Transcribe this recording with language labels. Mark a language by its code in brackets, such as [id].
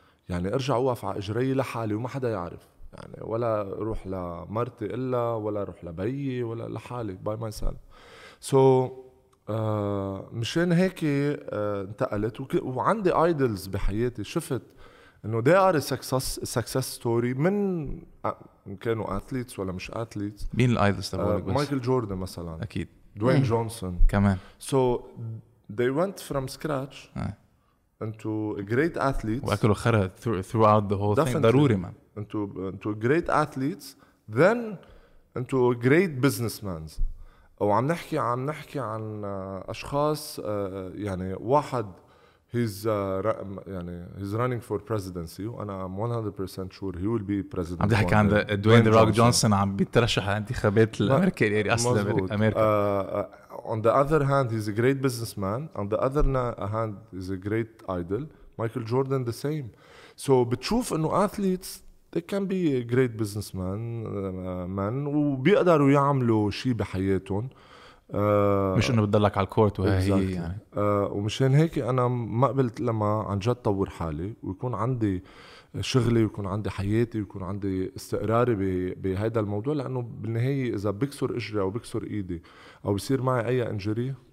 [ar] يعني أرجع وقف على إجري لحالي وما حدا يعرف, يعني ولا روح لمرتي إلا ولا روح لبي ولا لحالي باي ماي سيلف. سو مشان هيك انتقلت وعندي آيدلز بحياتي, شفت انه they are a success story من كانوا athletes ولا مش athletes. مين الايدلز تبعك؟ مايكل جوردن مثلا اكيد, دوين جونسون كمان. [en] So they went from scratch into a great athletes واكلوا خرى throughout the whole thing. [ar] ضروري man [en] into great athletes then into great businessmen. وعم نحكي عن اشخاص يعني واحد he's يعني he's running for presidency وانا 100% sure he will be president. [ar] عم بحكي عن دوين ذا روك جونسون عم بيترشح لانتخابات الامريكي اللي اصلا امريكا. [en] On the other hand he's a great businessman, on the other hand he's a great idol. Michael Jordan the same. So بتشوف انه athletes they can be a great businessman man وبيقدروا يعملوا شيء بحياتهم, [ar] مش انه بتضلك على الكورت وهي exactly. يعني ومشان هيك انا ما قبلت لما عن جد طور حالي ويكون عندي شغلي ويكون عندي حياتي ويكون عندي استقراري بهذا الموضوع, لانه بالنهايه اذا بكسر اجري او بكسر ايدي او بصير معي اي انجري